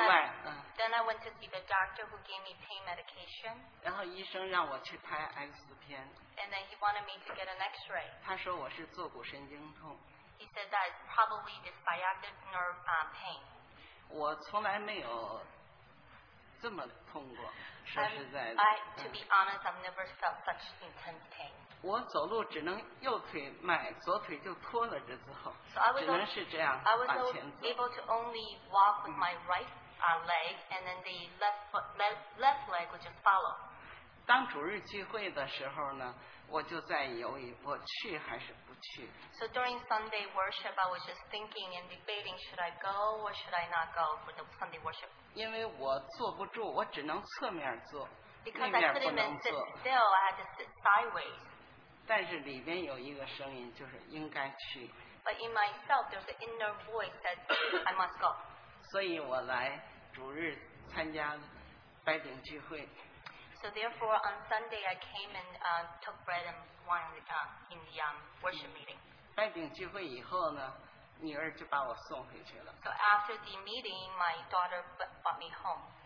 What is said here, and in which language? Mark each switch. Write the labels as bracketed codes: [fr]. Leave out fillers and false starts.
[en] I went to see the doctor who gave me pain medication. And then he wanted me to get an x-ray. [zh] 他说我是坐骨神经痛。 [en] He said that it's probably the sciatic nerve pain. [zh] 我从来没有这么痛过，说实在的。 [en] To be honest, I've never felt such intense pain. [zh] 我走路只能右腿迈，左腿就脱了。之后， [en] so I was [zh] 只能是这样往前走。 [en] I was able to only walk with my right leg, and then the left leg would just follow. [zh] 当主日聚会的时候呢。我就在犹豫，我去还是不去。 [en] So during Sunday worship, I was just thinking and debating, should I go or should I not go for the Sunday worship? [zh] 因为我坐不住，我只能侧面坐。 [en] Because I couldn't sit still, I had to sit sideways. [zh] 但是里边有一个声音，就是应该去。 [en] But in myself, there's an inner voice that I must go. [zh] 所以我来主日参加拜饼聚会。 [en] So therefore, on Sunday, I came and took bread and wine in the worship meeting. [zh] 拜饼聚会以后呢，女儿就把我送回去了。 [en] So after the meeting, my daughter brought me home.